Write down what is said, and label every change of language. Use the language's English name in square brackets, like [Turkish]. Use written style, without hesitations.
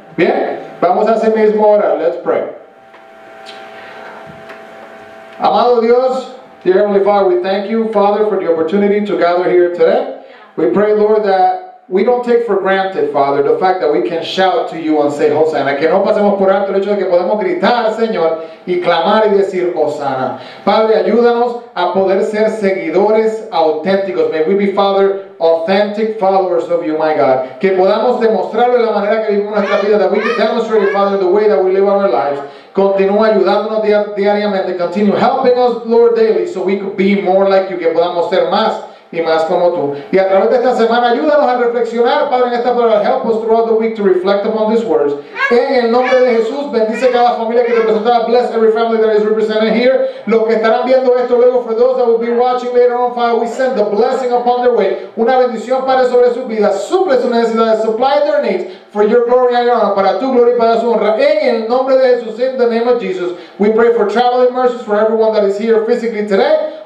[Spanish] Bien, vamos a hacer mismo ahora. [English] Let's pray. [Spanish] Amado Dios, [English] dear Heavenly Father, we thank you, Father, for the opportunity to gather here today. We pray, Lord, that we don't take for granted, Father, the fact that we can shout to you and say, Hosanna. [Spanish] Que no pasemos por alto el hecho de que podemos gritar, Señor, y clamar y decir, Hosanna. Padre, ayúdanos a poder ser seguidores auténticos. [English] May we be, Father, authentic followers of you, my God. [Spanish] Que podamos demostrarle la manera que vivimos nuestra vida. [English] That we can demonstrate, Father, the way that we live our lives. [Spanish] Continúa ayudándonos diariamente. [English] Continue helping us, Lord, daily, so we could be more like you. [Spanish] Que podamos ser más y más como tú. Y a través de esta semana, ayúdanos a reflexionar, Padre, en esta palabra. [English] Help us throughout the week to reflect upon these words. [Spanish] En el nombre de Jesús, bendice cada familia que representa. [English] Bless every family that is represented here. [Spanish] Los que estarán viendo esto luego, [English] for those that will be watching later on, Father, we send the blessing upon their way. [Spanish] Una bendición, Padre, sobre su vida. Suple sus necesidades. [English] Supply their needs. For your glory and your honor, [Spanish] para tu gloria y para su honra. En el nombre de Jesús, [English] in the name of Jesus, we pray for traveling mercies for everyone that is here physically today.